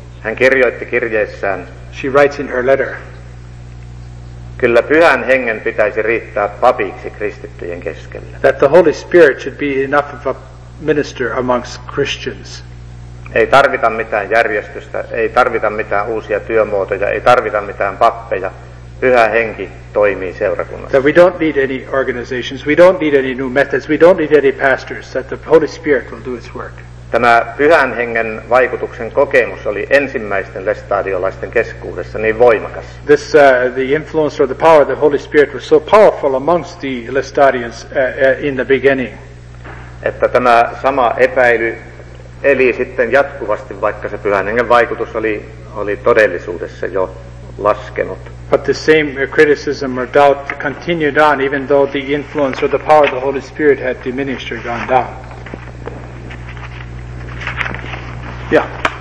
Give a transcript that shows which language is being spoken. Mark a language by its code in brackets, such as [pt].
[fi] Hän kirjoitti kirjeessään. [en] She writes in her letter. [fi] Kyllä pyhän hengen pitäisi riittää papiksi kristittyjen keskellä. [en] That the Holy Spirit should be enough of a minister amongst Christians. [fi] Ei tarvita mitään järjestystä, ei tarvita mitään uusia työmuotoja, ei tarvita mitään pappeja. Pyhä henki toimii seurakunnassa. [en] That we don't need any organizations, we don't need any new methods, we don't need any pastors, that the Holy Spirit will do its work. [fi] Tämä pyhän hengen vaikutuksen kokemus oli ensimmäisten lestadiolaisten keskuudessa niin voimakas. [en] This the influence or the power of the Holy Spirit was so powerful amongst the Lestadians in the beginning. [fi] Että tämä sama epäily eli sitten jatkuvasti, vaikka se pyhän hengen vaikutus oli todellisuudessa jo laskenut. [en] But the same criticism or doubt continued on even though the influence or the power of the Holy Spirit had diminished or gone down. Yeah.